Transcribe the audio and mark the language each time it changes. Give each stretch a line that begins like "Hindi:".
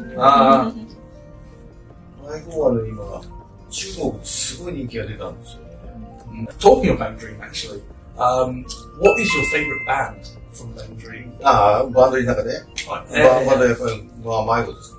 Japanese: 迷子はね、今、中国ですごい人気が出たんですよね。
English: Talking about Dream, actually, what is your favorite band from Dream?
Japanese: バンドリーの中で、まだやっぱり、まあ、迷子です。